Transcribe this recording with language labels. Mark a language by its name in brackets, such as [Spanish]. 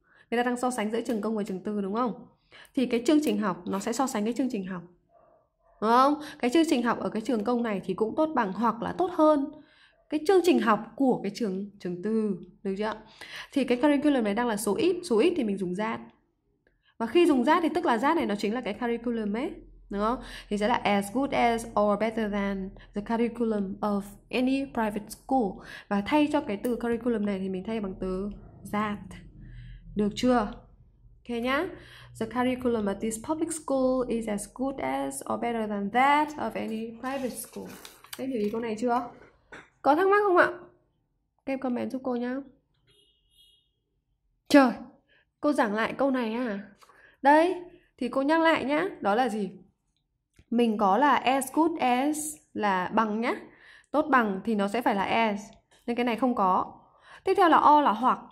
[Vietnamese] Người ta đang so sánh giữa trường công và trường tư đúng không? Thì cái chương trình học nó sẽ so sánh cái chương trình học, đúng không? Cái chương trình học ở cái trường công này thì cũng tốt bằng hoặc là tốt hơn cái chương trình học của cái trường trường tư, được chưa? Thì cái curriculum này đang là số ít thì mình dùng that. Và khi dùng that thì tức là that này nó chính là cái curriculum ấy, đúng không? Thì sẽ là [English] as good as or better than the curriculum of any private school. [Vietnamese] Và thay cho cái từ curriculum này thì mình thay bằng từ that. Được chưa? Ok nhá. [English] The curriculum at this public school is as good as or better than that of any private school. [Vietnamese] Em hiểu ý câu này chưa? Có thắc mắc không ạ? Các em comment giúp cô nhá. Trời, cô giảng lại câu này à? Đây, thì cô nhắc lại nhá. Đó là gì? Mình có là [English] as good as [Vietnamese] là bằng nhá. Tốt bằng thì nó sẽ phải là as. Nên cái này không có. Tiếp theo là or là hoặc.